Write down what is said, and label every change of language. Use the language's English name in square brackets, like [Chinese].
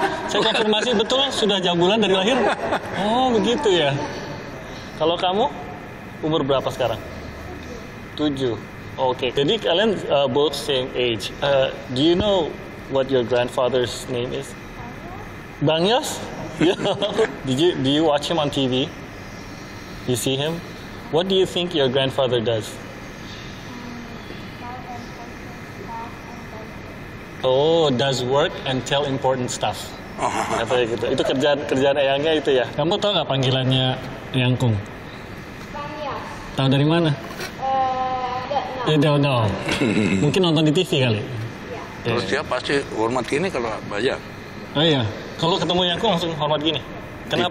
[Indonesian] Saya konfirmasi betul sudah jambulan dari lahir. Oh, begitu ya. Kalau kamu umur berapa sekarang? 7. Oke. Okay. Jadi kalian [English] both same age. Do you know what your grandfather's name is? Bang Yos? Do you watch him on TV? You see him? What do you think your grandfather does? Oh, does work and tell important stuff. [Indonesian] Apa gitu? Itu kerjaan ayangnya itu ya. Kamu tahu nggak panggilannya Yangkung? Bang Yos. Tahu dari mana? [English] Don't know. [Indonesian] Mungkin nonton di TV kali. Yeah. Terus dia pasti hormat gini kalau baca. Oh iya. Kalau ketemu Yangkung langsung hormat gini. Kenapa?